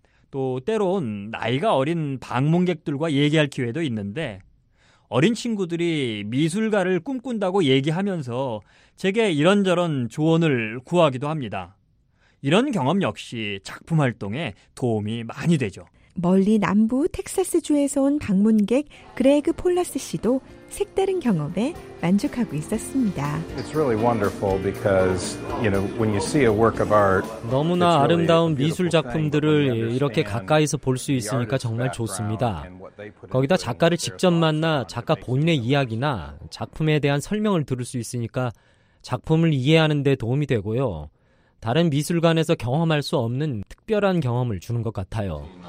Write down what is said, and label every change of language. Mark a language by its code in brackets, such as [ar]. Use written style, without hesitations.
[ko] 또 때론 나이가 어린 방문객들과 얘기할 기회도 있는데 어린 친구들이 미술가를 꿈꾼다고 얘기하면서 제게 이런저런 조언을 구하기도 합니다. 이런 경험 역시 작품 활동에 도움이 많이 되죠. 멀리 남부 텍사스주에서 온 방문객 그레그 폴라스 씨도 색다른 경험에 만족하고 있었습니다. [en] It's really wonderful because, you know, when you see a work of art, [ko] 너무나 아름다운 미술 작품들을 이렇게 가까이서 볼 수 있으니까 정말 좋습니다. 거기다 작가를 직접 만나 작가 본인의 이야기나 작품에 대한 설명을 들을 수 있으니까 작품을 이해하는 데 도움이 되고요. 다른 미술관에서 경험할 수 없는 특별한 경험을 주는 것 같아요.